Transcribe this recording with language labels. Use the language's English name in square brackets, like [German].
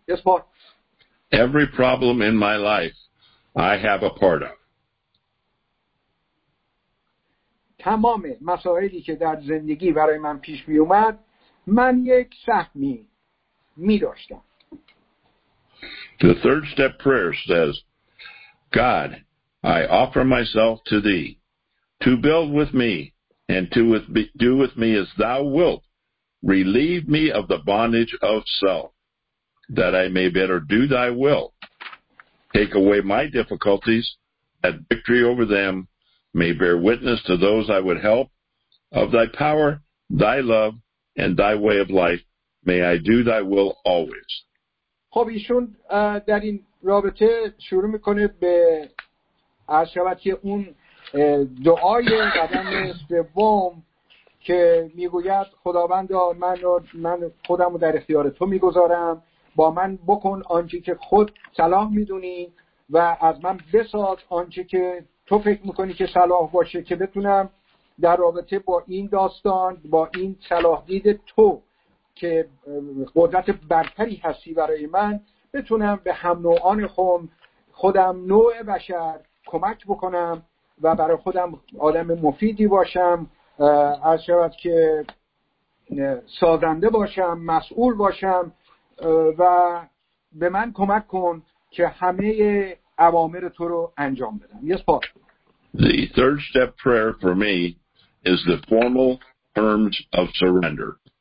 [English] اسپار Every problem in my life I have a part of. [Persian] تمام مسائلی که در زندگی برای من پیش می اومد من یک سهمی می داشتم. [English] The third step prayer says, God, I offer myself to thee, to build with me and to do with me as thou wilt, relieve me of the bondage of self, that I may better do thy will, take away my difficulties, that victory over them may bear witness to those I would help, of thy power, thy love, and thy way of life, may I do thy will always. [Persian] خب ایشون در این رابطه شروع میکنه به از شبت که اون دعای قدم سوم که میگوید خداوند من خودم رو در اختیار تو میگذارم، با من بکن آنچه که خود صلاح میدونی و از من بساز آنچه که تو فکر میکنی که صلاح باشه، که بتونم در رابطه با این داستان، با این صلاح دید تو که قدرت برتری هستی برای من، بتونم به هم نوعان خودم نوع بشر کمک بکنم و برای خودم آدم مفیدی باشم، از شبت که سازنده باشم، مسئول باشم و به من کمک کن که همه اوامر تو رو انجام بدم. [English] Yes, Paul. The third step prayer for me is the formal terms of surrender.